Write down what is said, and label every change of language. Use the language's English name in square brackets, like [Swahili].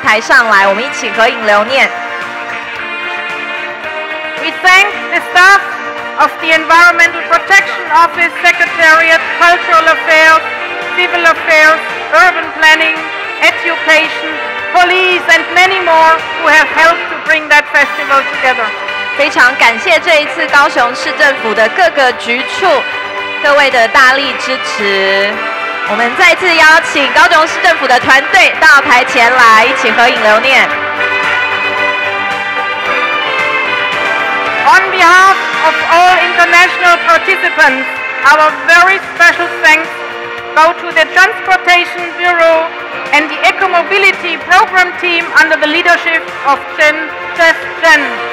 [English] We thank the staff of the Environmental Protection Office, Secretariat, Cultural Affairs, Civil Affairs, Urban Planning, Education, Police, and many more who have helped to bring that festival together. [Chinese] 非常感谢这一次高雄市政府的各个局处各位的大力支持。我们再次邀请高雄市政府的团队到台前来，一起合影留念。 [English] On behalf of all international participants, our very special thanks go to the Transportation Bureau and the Eco-Mobility Program Team under the leadership of Chen, Chef Chen.